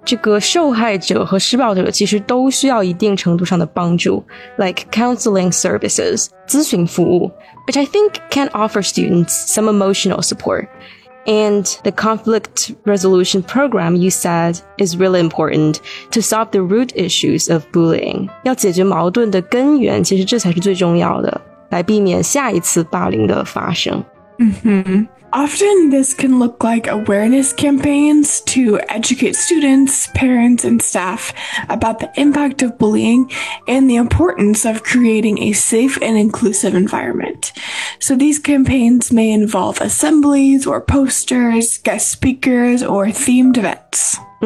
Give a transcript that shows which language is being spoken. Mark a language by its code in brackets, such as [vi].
[zh] 这个受害者和施暴者其实都需要一定程度上的帮助 [en] like counseling services, [zh] 咨询服务 [en] which I think can offer students some emotional support. And the conflict resolution program you said is really important to solve the root issues of bullying. [zh] 要解决矛盾的根源其实这才是最重要的来避免下一次霸凌的发生。 Mm-hmm. [en] Often this can look like awareness campaigns to educate students, parents, and staff about the impact of bullying and the importance of creating a safe and inclusive environment. So these campaigns may involve assemblies or posters, guest speakers, or themed events.